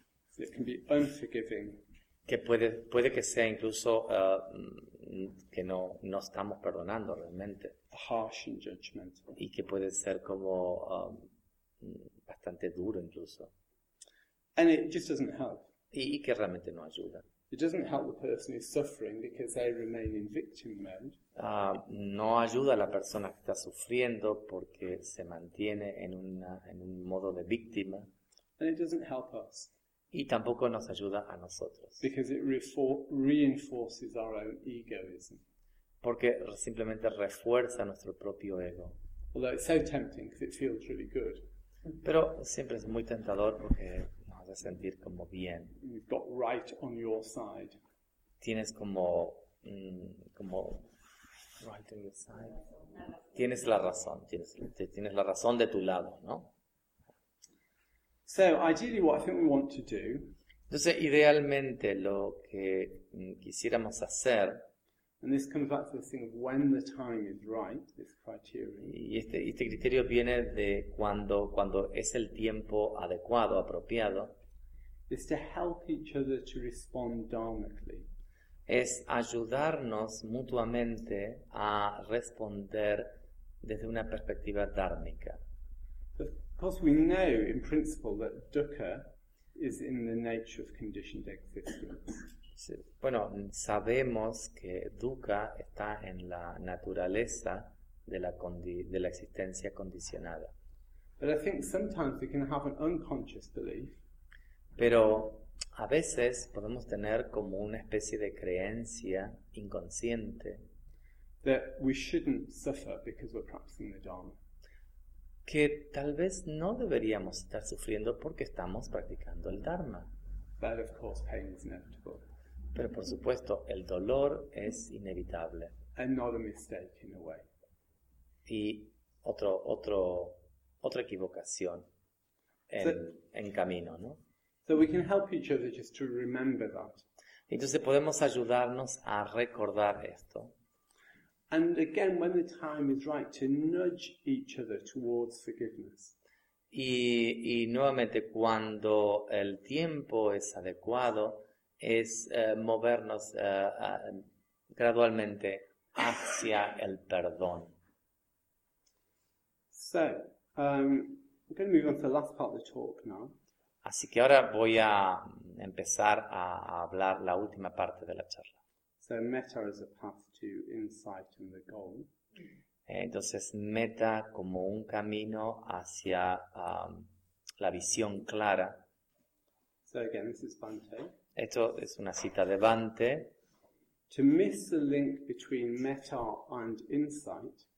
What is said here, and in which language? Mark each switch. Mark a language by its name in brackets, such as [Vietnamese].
[English] So it can be unforgiving. [Spanish] Que puede que sea incluso que no estamos perdonando realmente. [English] Harsh and judgmental. [Spanish] Y que puede ser como bastante duro incluso. [English] And it just doesn't help. [Spanish] Y que realmente no ayuda. [English] It doesn't help the person who's suffering because they remain in victim mode. [Spanish] No ayuda a la persona que está sufriendo porque se mantiene en un modo de víctima. [English] And it doesn't help us. [Spanish] Y tampoco nos ayuda a nosotros. [English] Because it reinforces our own egoism. [Spanish] Porque simplemente refuerza nuestro propio ego. [English] Although it's so tempting because it feels really good. [Spanish] Pero siempre es muy tentador porque nos hace sentir como bien. [English] You've got right on your side. [Spanish] Tienes como [English] right on your side. [Spanish] Tienes la razón. Tienes la razón de tu lado, ¿no? [English] So ideally, what I think we want to do. [Spanish] Entonces, idealmente, lo que quisiéramos hacer. [English] And this comes back to this thing of when the time is right. This criteria. [Spanish] Y este criterio viene de cuando es el tiempo adecuado, apropiado. [English] Is to help each other to respond dharmically. [Spanish] Es ayudarnos mutuamente a responder desde una perspectiva dármica. [English] Of course, we know in principle that dukkha is in the nature of conditioned existence. [Spanish] Bueno, sabemos que dukkha está en la naturaleza de la existencia condicionada. [English] But I think sometimes we can have an unconscious belief. [Spanish] Pero a veces podemos tener como una especie de creencia inconsciente [English] that we shouldn't suffer because we're practicing the Dharma. [Spanish] Que tal vez no deberíamos estar sufriendo porque estamos practicando el Dharma. [English] But of course pain is inevitable. [Spanish] Pero por supuesto, el dolor es inevitable. [English] And not a mistake in a way. [Spanish] Y otra equivocación en camino, ¿no? [English] So we can help each other just to remember that. [Spanish] Entonces podemos ayudarnos a recordar esto. [English] And again, when the time is right, to nudge each other towards forgiveness. [Spanish] Y nuevamente, cuando el tiempo es adecuado, es movernos gradualmente hacia el perdón. [English] So, I'm going to move on to the last part of the talk now. [Spanish] Así que ahora voy a empezar a hablar la última parte de la charla. [English] So metta is a path to insight and the goal. [Spanish] Entonces metta como un camino hacia la visión clara. [English] So again, this is Bhante. [Spanish] Esto es una cita de Bhante. [English] To miss the link between metta and insight.